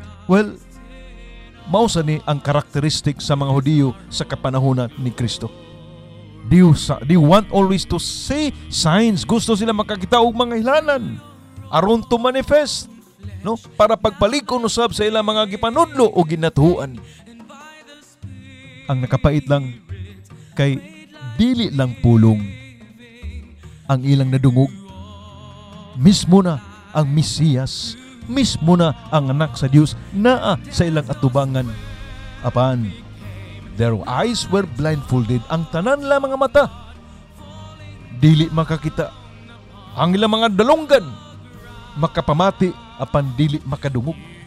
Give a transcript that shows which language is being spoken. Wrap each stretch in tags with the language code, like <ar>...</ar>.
<ceb>Well, mausa ni ang karakteristik sa mga Hudiyo sa kapanahuna ni Kristo.</ceb> <en>They want always to see signs.</en> <ceb>Gusto sila makakita og mga ilanan aron to manifest, no, para pagpalikon usab sa ilang mga gipanudlo o ginatuhuan. Ang nakapait lang kay dili lang pulong ang ilang nadungog. Mismo na ang Mesiyas, mismo na ang anak sa Diyos naa sa ilang atubangan.</ceb> <en>Apan, their eyes were blindfolded.</en> <ceb>Ang tanan lang mga mata dili makakita. Ang ilang mga dalunggan makapamati apan dili makadungog.</ceb>